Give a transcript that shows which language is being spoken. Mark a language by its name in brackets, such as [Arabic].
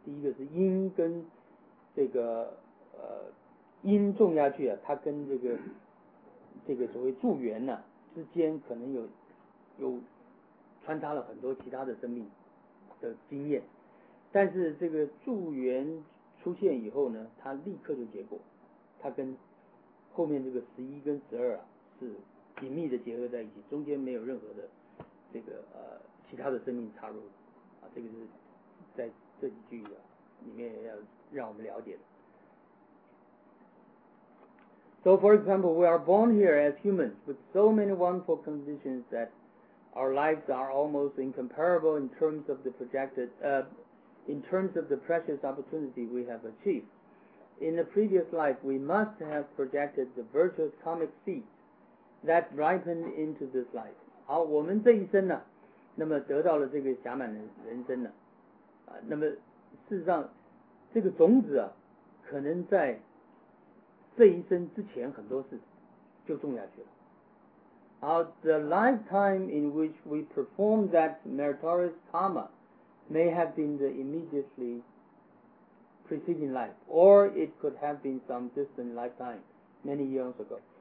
[Chinese] 第一个是因跟这个因种下去啊，它跟这个所谓助缘呢、啊、之间可能有穿插了很多其他的生命的经验，但是这个助缘出现以后呢，它立刻就结果，它跟后面这个十一跟十二啊。是紧密的结合在一起，中间没有任何的这个其他的生命插入啊，这个是在这几句啊里面也要让我们了解的。 [English] So for example, we are born here as humans with so many wonderful conditions that our lives are almost incomparable in terms of the projected in terms of the precious opportunity we have achieved. In the previous life, we must have projected the virtuous karmic seed. That ripened into this life. [Chinese] 好，我们这一生呢，那么得到了这个假满的人生呢，那么事实上，这个种子啊，可能在这一生之前很多事就种下去了。好 [English] ，the lifetime in which we perform that meritorious karma may have been the immediately preceding life, or it could have been some distant lifetime many years ago.